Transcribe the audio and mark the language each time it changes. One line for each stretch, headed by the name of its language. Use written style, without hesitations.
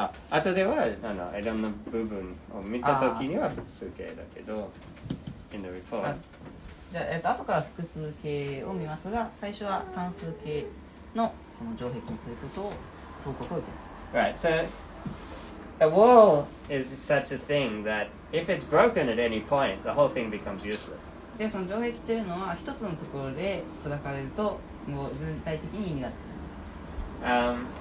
Japanese: あとではあのいろんな部分を見たときには複数形だけど、
English: in the report。
Japanese: じゃあ、後から複数形を見ますが、最初は単数形のその城壁ということを報告を受けます。
English: Right, so a wall is such a thing that if it's broken at any point, the whole thing becomes useless.
Japanese: で、その城壁というのは一つのところで砕かれると、もう全体的に意味がなくなります。